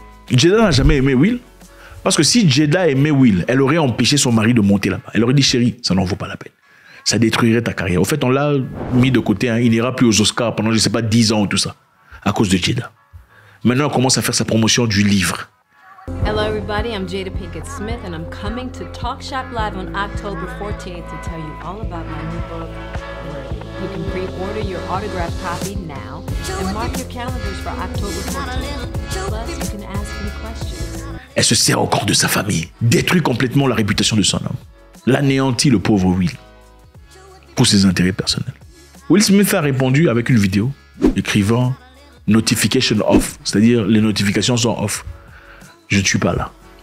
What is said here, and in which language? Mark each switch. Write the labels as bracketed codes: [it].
[fr] Jada n'a jamais aimé Will. Parce que si Jada aimait Will, elle aurait empêché son mari de monter là-bas. Elle aurait dit chérie, ça n'en vaut pas la peine. Ça détruirait ta carrière. Au fait, on l'a mis de côté, hein. Il n'ira plus aux Oscars pendant je sais pas 10 ans ou tout ça. À cause de Jada. Maintenant, on commence à faire sa promotion du livre. [en] Hello everybody, I'm Jada Pinkett Smith and I'm coming to Talk Shop Live on October 14th to tell you all about my new book. You can pre-order your autographed copy now and mark your calendars for October 14th. Plus, you can ask me questions. [fr] Elle se sert encore de sa famille, détruit complètement la réputation de son homme, l'anéantit le pauvre Will pour ses intérêts personnels. Will Smith a répondu avec une vidéo écrivant notification off, c'est-à-dire les notifications sont off. Je ne suis pas là.